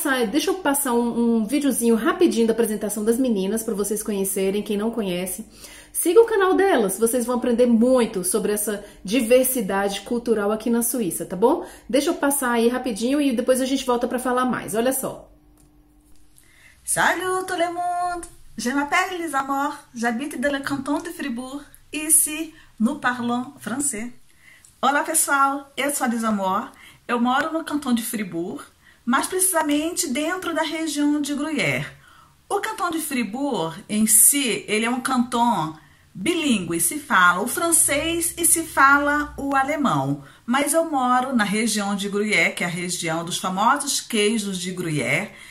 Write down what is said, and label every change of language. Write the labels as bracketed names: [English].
[Portuguese] Deixa eu passar um videozinho rapidinho da apresentação das meninas para vocês conhecerem. Quem não conhece, siga o canal delas, vocês vão aprender muito sobre essa diversidade cultural aqui na Suíça, tá bom? Deixa eu passar aí rapidinho e depois a gente volta para falar mais. Olha só. [French] Salut tout le monde! Je m'appelle Les Amours, j'habite dans le canton de Fribourg, ici nous parlons français. [Portuguese] Olá pessoal, eu sou a Les Amours, eu moro no canton de Fribourg, mais precisamente dentro da região de Gruyère. O canton de Fribourg, em si, ele é um canton bilíngue, se fala o francês e se fala o alemão, mas eu moro na região de Gruyère, que é a região dos famosos queijos de Gruyère.